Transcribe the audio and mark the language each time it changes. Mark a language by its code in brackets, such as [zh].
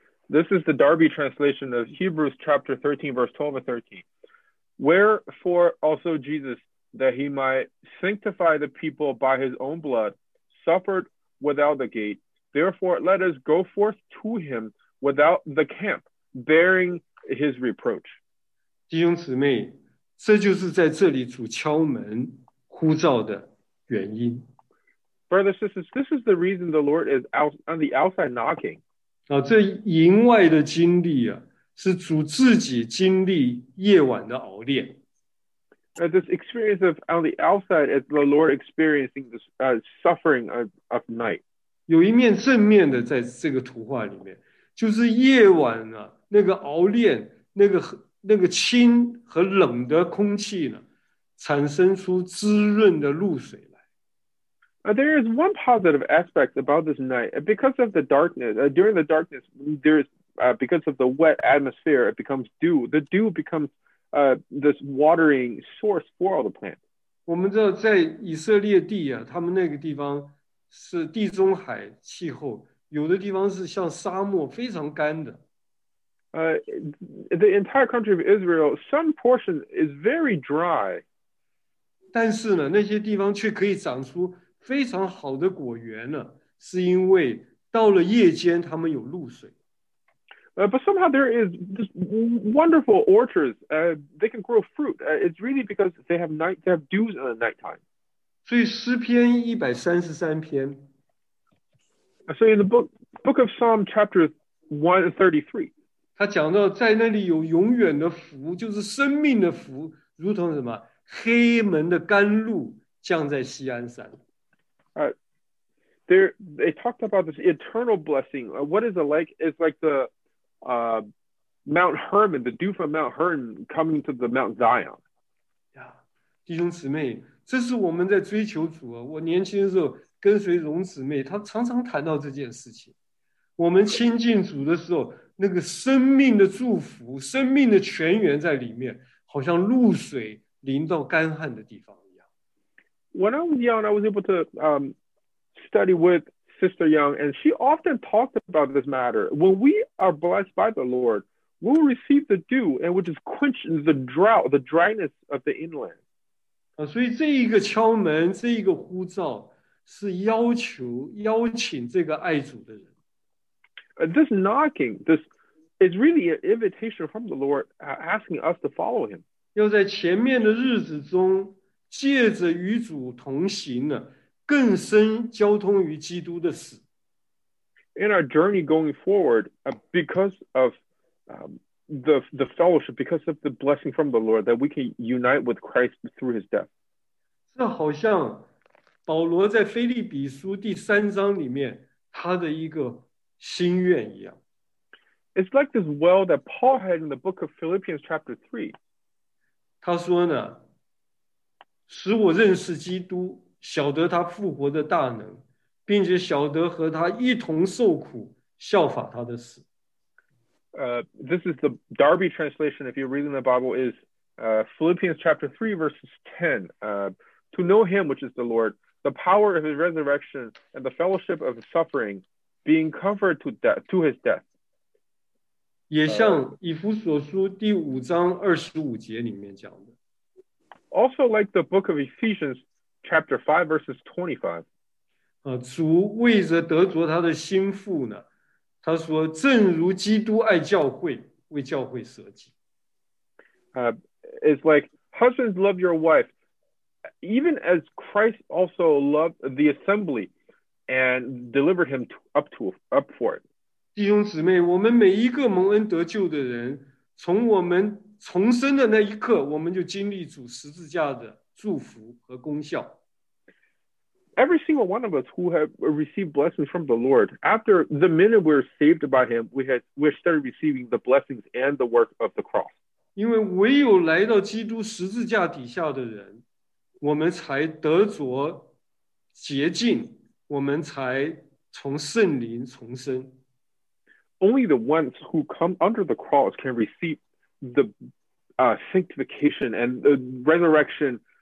[en] This is the Darby translation of Hebrews chapter 13 verse 12 and 13. Wherefore also Jesus, that he might sanctify the people by his own blood, suffered without the gate. Therefore, let us go forth to him without the camp, bearing his reproach. [zh] 弟兄姊妹，这就是在这里主敲门呼召的原因。 [en] Brothers, sisters, this is the reason the Lord is out on the outside knocking. [zh] 这营外的经历啊，是主自己经历夜晚的熬炼。 [en] This experience of on the outside is the Lord experiencing this suffering of night. [zh] 有一面正面的在这个图画里面，就是夜晚呢、那个熬炼，那个清和冷的空气呢，产生出滋润的露水来。 [en] There is one positive aspect about this night. Because of the darkness, during the darkness, there is because of the wet atmosphere, it becomes dew. The dew becomes this watering source for all the plants. [zh] 我们知道在以色列地啊，他们那个地方。是地中海气候，有的地方是像沙漠，非常干的。 [en] The entire country of Israel, some portion is very dry. [zh] 但是呢，那些地方却可以长出非常好的果园呢，是因为到了夜间他们有露水。 [en] But somehow there is this wonderful orchards. They can grow fruit. It's really because they have night, they have dews in the nighttime. [zh] 所以诗篇133篇。 [en] So in the book of Psalm chapter 133, [zh] 他讲到在那里有永远的福，就是生命的福，如同什么黑门的甘露降在锡安山。 [en] They talked about this eternal blessing. What is it like? It's like the Mount Hermon, the dew from Mount Hermon coming to the Mount Zion. [zh] Yeah, 弟兄姊妹，这是我们在追求主啊。我年轻的时候跟随荣姊妹，她常常谈到这件事情。我们亲近主的时候，那个生命的祝福、生命的泉源在里面，好像露水淋到干旱的地方一样。 [en] When I was young, I was able to study with Sister Young, and she often talked about this matter. When we are blessed by the Lord, we will receive the dew, and which is quenching the drought, the dryness of the inland. [zh] 所以这一个敲门，这一个呼召，是要求邀请这个爱主的人。 [en] This knocking, this is really an invitation from the Lord, asking us to follow Him. [zh] 要在前面的日子中，借着与主同行呢。更深交通于基督的死。 [en] In our journey going forward, because of the fellowship, because of the blessing from the Lord, that we can unite with Christ through His death. [zh] 这好像保罗在腓立比书第三章里面他的一个心愿一样。 [en] It's like this well that Paul had in the book of Philippians chapter 3. [zh] 他说呢，使我认识基督。晓得他复活的大能，并且晓得和他一同受苦，效法他的死。 [en] This is the Darby translation. If you're reading the Bible, is Philippians chapter 3, verses 10. To know Him, which is the Lord, the power of His resurrection and the fellowship of His suffering, being comforted to death, to His death. [zh] 也像以弗所书第五章二十五节里面讲的。 [en] Also, like the book of Ephesians. Chapter 5, verses 25. [zh] 主为着得着他的心腹呢，他说：“正如基督爱教会，为教会舍己。” [en] It's like husbands love your wife, even as Christ also loved the assembly and delivered him up for it. [zh] 弟兄姊妹，我们每一个蒙恩得救的人，从我们重生的那一刻，我们就经历主十字架的。祝福和功效。 [en] Every single one of us who have received blessings from the Lord, after the minute we're saved by Him, we started receiving the blessings and the work of the cross. [zh] 因为唯有来到基督十字架底下的人，我们才得着洁净，我们才从圣灵重生。 [en] Only the ones who come under the cross can receive the sanctification and the resurrection.